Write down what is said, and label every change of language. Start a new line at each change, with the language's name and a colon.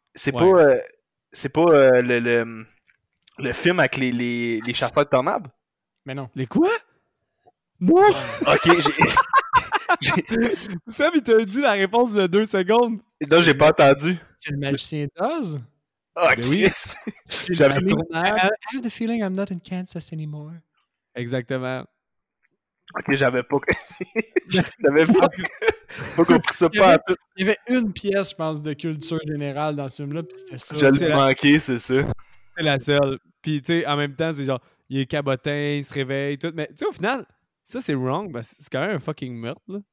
French: C'est ouais. pas le film avec les chasseurs de tornades? Mais non. Les quoi? Non! Ok, j'ai... Sam, il t'a dit la réponse de 2 secondes. Et non, j'ai pas entendu. C'est le magicien d'Oz? Ok. Oui. J'avais pas...
English: I have the feeling I'm not in Kansas anymore.
French: Exactement. Ok, j'avais pas compris ça pas à tout. Il y avait une pièce, je pense, de culture générale dans ce film-là, puis c'était ça. Je l'ai manqué, c'est ça. C'est la seule. Puis, tu sais, en même temps, c'est genre, il est cabotin, il se réveille, tout. Mais, tu sais, au final, ça, c'est wrong, parce que c'est quand même un fucking meurtre, là.